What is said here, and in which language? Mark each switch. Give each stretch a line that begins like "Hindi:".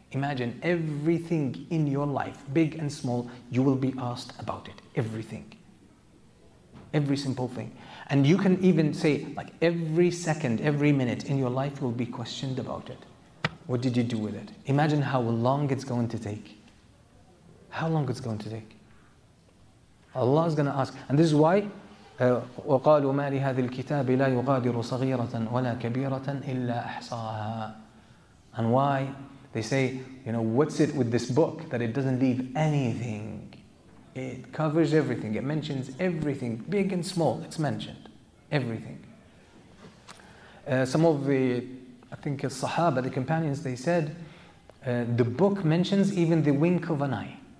English: Imagine everything in your life, big and small, you will be asked about it. Everything. Every simple thing. And you can even say, like, every second, every minute in your life will be questioned about it. What did you do with it? Imagine how long it's going to take. How long it's going to take? Allah is going to ask. And this is why,
Arabic: وَقَالُوا مَا لِهَذِي الْكِتَابِ لَا يُغَادِرُ صَغِيرَةً وَلَا كَبِيرَةً إِلَّا أَحْصَاهَا.
English: And why? They say, you know, what's it with this book that it doesn't leave anything? It covers everything. It mentions everything, big and small. It's mentioned. Everything. Some of the Sahaba, the companions, they said, the book mentions even the wink of an eye.